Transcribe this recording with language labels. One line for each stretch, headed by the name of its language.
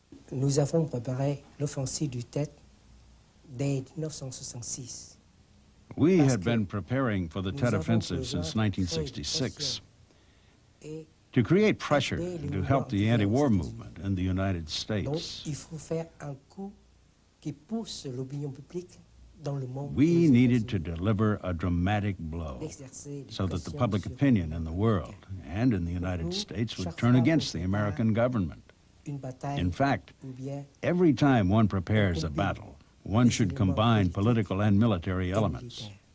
French: Nous avons préparé l'offensive du Tet dès 1966.
English: We had been preparing for the Tet offensive since 1966. To create pressure and to help the anti-war movement in the United States.
French: Donc, il faut faire un coup qui pousse l'opinion publique.
English: We needed to deliver a dramatic blow so that the public opinion in the world and in the United States would turn against the American government. In fact, every time one prepares a battle, one should combine political and military elements.